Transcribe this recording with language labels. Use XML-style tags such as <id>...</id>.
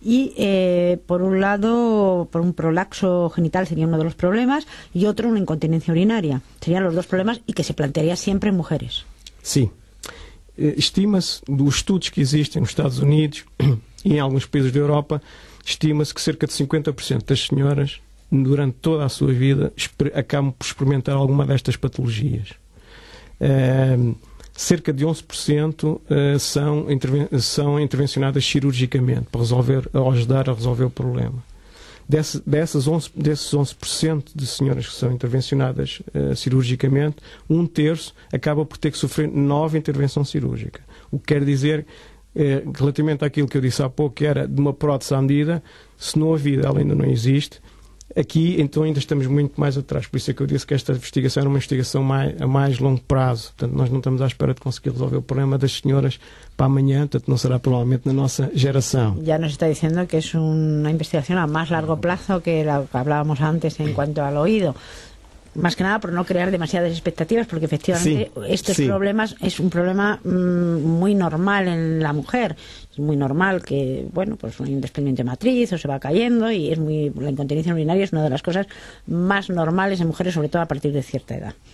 <es>Y por un lado, por un prolapso genital sería uno de los problemas, y otro una incontinencia urinaria. Serían los dos problemas y que se plantearía siempre en mujeres. Sí.</es> <pt>Estima-se, dos estudos que existem nos Estados Unidos e em alguns países da Europa, estima-se que cerca de 50% das senhoras, durante toda a sua vida, acabam por experimentar alguma destas patologias. Cerca de 11% são intervencionadas cirurgicamente para resolver ou ajudar a resolver o problema. Desses 11% de senhoras que são intervencionadas cirurgicamente, um terço acaba por ter que sofrer nova intervenção cirúrgica. O que quer dizer, relativamente àquilo que eu disse há pouco, que era de uma prótese à medida, se não a vida ela ainda não existe, aqui então ainda estamos muito mais atrás, por isso é que eu disse que esta investigação era uma investigação a mais longo prazo. Portanto, nós não estamos à espera de conseguir resolver o problema das senhoras para amanhã, portanto não será provavelmente na nossa geração. Já nos está dizendo que é uma investigação a mais</pt> <es>largo plazo</es> <pt>que a que falávamos antes em quanto ao ouvido.</pt> <es>Más que nada por no crear demasiadas expectativas, porque efectivamente problemas es un problema muy normal en la mujer. Es muy normal que, bueno, pues hay un desprendimiento de matriz o se va cayendo y es muy, la incontinencia urinaria es una de las cosas más normales en mujeres, sobre todo a partir de cierta edad.</es>